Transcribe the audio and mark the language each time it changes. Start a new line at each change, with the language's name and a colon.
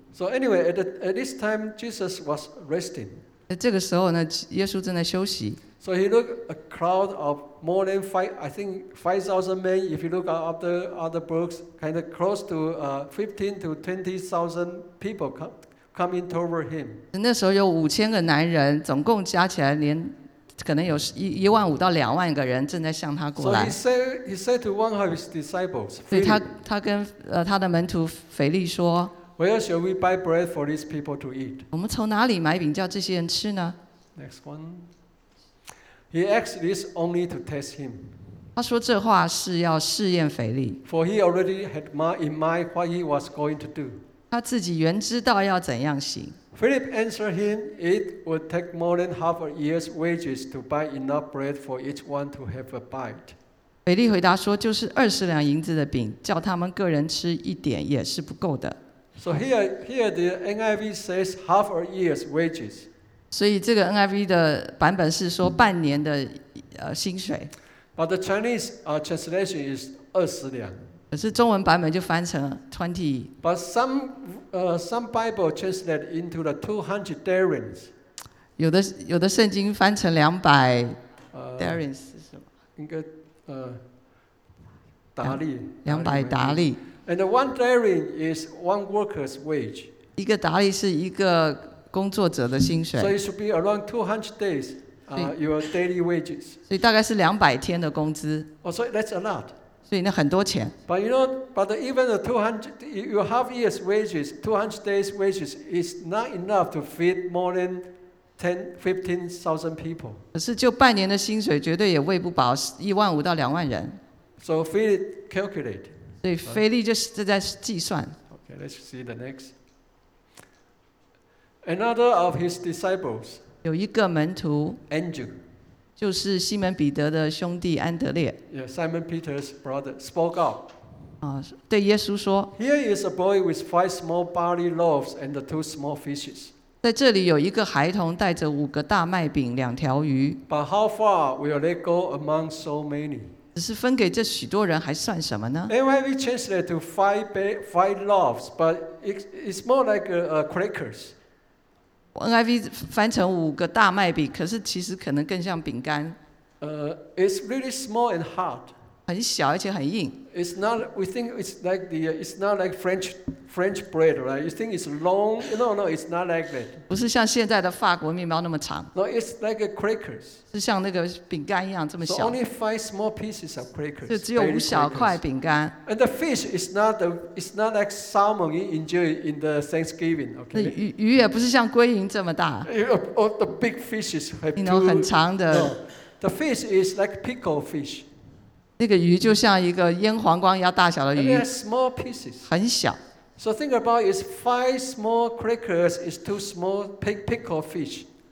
English: So anyway, at this time, Jesus was resting.
Chinese: 这个时候呢，耶稣正在休息。
English: So he looked a crowd of more than five, I think 5,000 men, if you look at other books, kind of close to 15,000 to 20,000 people coming toward him.
Chinese: 那时候有5,000个男人，总共加起来连可能有15,000到20,000个人正在向他过来。
English: So he said to one of his disciples, Philip,
Chinese: 他跟他的门徒腓力说，
English: Where shall we buy bread for these people to eat?
Chinese: 我们从哪里买饼叫这些人吃呢？
English: Next one. He asked this only to test him.
Chinese: 他说这话是要试验腓力。
English: For he already had in mind what he was going to do.
Chinese: 他自己原知道要怎样行。
English: Philip answered him, "It would take more than half a year's wages to buy enough bread for each one to have a bite."
Chinese: 腓力回答说，就是20两银子的饼，叫他们个人吃一点也是不够的。
English: So here the NIV says half a year's wages.
Chinese: 所以这个 NIV 的版本是说半年的薪水。
English: But the Chinese translation is 20两。
Chinese: 可是中文版本就翻成 20.
English: But some Bible translate into the 200 darins.
Chinese: 有的圣经翻成200 darins 是什么？应该达利。 200达利。
English: And the one darin is one worker's wage.
Chinese: 一个达利是一个工作者的薪水。
English: So it should be around 200 days, your daily wages.
Chinese: 所以大概是200天的工资。
English: Oh, so that's a lot.
Chinese: 所以那很多钱。
English: But you know, but even the 200, your half year's wages, 200 days wages is not enough to feed more than 10,000-15,000 people.
Chinese: 可是就半年的薪水，绝对也喂不饱15,000到20,000人。
English: So Philip calculate.
Chinese: 所以腓力就是正在计算。
English: Okay, let's see the next. Another of his disciples,
Chinese: 有一个门徒
English: Andrew,
Chinese: 就是西门彼得的兄弟安德烈
English: yeah, Simon Peter's brother, spoke out.
Chinese: 对耶稣说
English: Here is a boy with 5 small barley loaves and 2 small fishes.
Chinese: 在这里有一个孩童带着5个大麦饼2条鱼
English: But how far will they go among so many?
Chinese: 只是分给这许多人还算什么呢
English: NIV translated to five loaves, but it's more like crackers.
Chinese: NIV 翻成5个大麦饼，可是其实可能更像饼干。
English: It's really small and hard.
Chinese: 很小而且很硬。
English: It's not. We think it's like the. It's not like French bread, right? You think it's long? No, it's not like that.
Chinese: 不是像现在的法国面包那么长。
English: No, it's like a crackers.
Chinese: 是像那个饼干一样这么小。
English: So only 5 small pieces of crackers.
Chinese: 就只有5小块饼干。
English: And the fish is not the. It's not like salmon you enjoy in the Thanksgiving. Okay.
Chinese: 鱼也不是像鲑鱼这么大。
English: Or the big fishes have two.
Chinese: 那种很长的。
English: No, the fish is like pickled fish.
Chinese: 那个鱼就像一个腌黄瓜一样大小的鱼
English: small pieces.
Chinese: 很小
English: So think about it, 5 small crackers is 2 small pickled fish